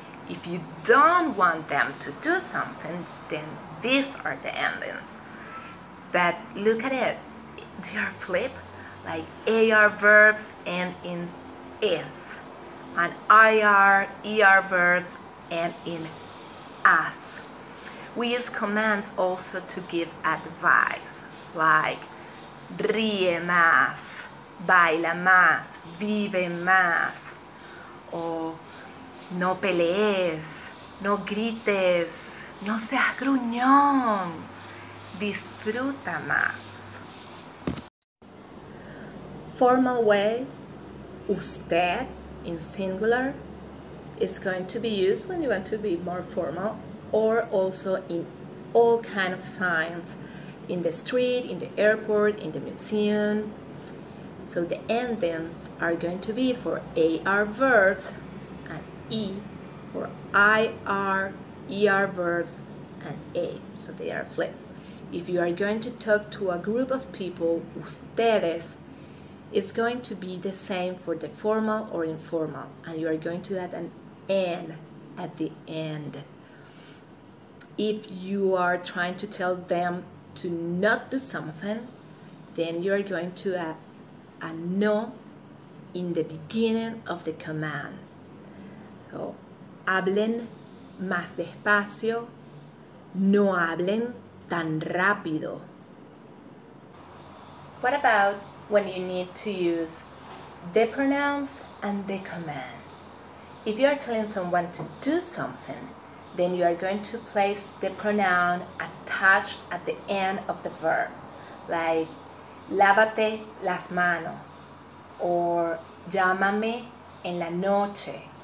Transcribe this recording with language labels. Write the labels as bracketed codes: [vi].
[en] If you don't want them to do something, then these are the endings. But look at it, they are flipped, like AR verbs end in is, and IR, ER verbs end in as. We use commands also to give advice. [es] Like, ríe más, baila más, vive más, or no pelees, no grites, no seas gruñón, disfruta más. [en] Formal way, usted, in singular, is going to be used when you want to be more formal, or also in all kind of signs, in the street, in the airport, in the museum. So the endings are going to be for AR verbs and E, for IR, ER verbs and A. So they are flipped. If you are going to talk to a group of people, ustedes, it's going to be the same for the formal or informal, and you are going to add an N at the end. If you are trying to tell them to not do something, then you are going to add a no in the beginning of the command. [es] So, hablen más despacio, no hablen tan rápido. [en] What about when you need to use the pronouns and the commands? If you are telling someone to do something, then you are going to place the pronoun attached at the end of the verb, like [es] lávate las manos [en] or [es] llámame en la noche.